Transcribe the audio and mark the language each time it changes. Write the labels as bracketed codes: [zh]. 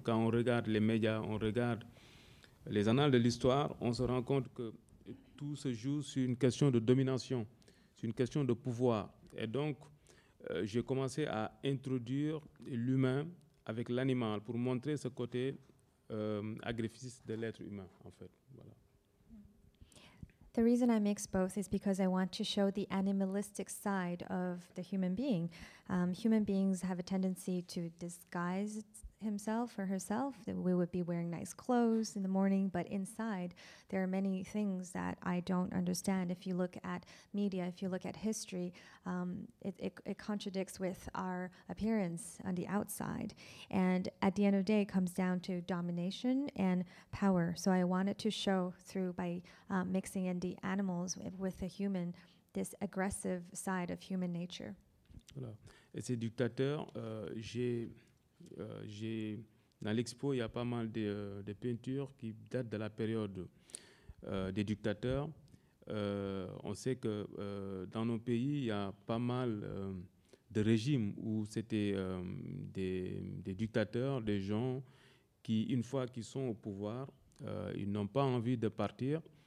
[fr] Quand on regarde les médias, on regarde les annales de l'histoire, on se rend compte que tout se joue sur une question de domination, sur une question de pouvoir. Et donc, j'ai commencé à introduire l'humain avec l'animal pour montrer ce côté agressif de l'être humain, en fait. Voilà. [en] The reason I mix both is because I want to show the animalistic side of the human being. Human beings have a tendency to disguise himself or herself. We would be wearing nice clothes in the morning, but inside there are many things that I don't understand. If you look at media, if you look at history, it contradicts with our appearance on the outside. And at the end of the day, it comes down to domination and power. So I wanted to show through by mixing in the animals with the human, this aggressive side of human nature. [fr] Voilà. Et ces dictateurs, j'ai dans l'expo, il y a pas mal de peintures qui datent de la période des dictateurs. On sait que dans nos pays, il y a pas mal de régimes où c'était des dictateurs, des gens qui, une fois qu'ils sont au pouvoir, ils n'ont pas envie de partir.